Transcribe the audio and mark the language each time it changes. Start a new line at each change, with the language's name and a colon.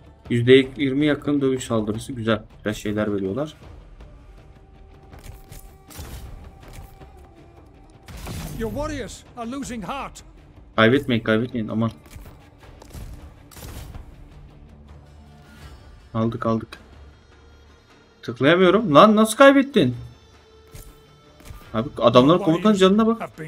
Turkish: %20 yakın dövüş saldırısı, güzel. Güzel şeyler veriyorlar.
English: Your warriors are losing heart.
Turkish: Kaybetmeyin, kaybetmeyin, aman. Aldık aldık. Tıklayamıyorum. Lan nasıl kaybettin? Abi adamların komutan canına bak.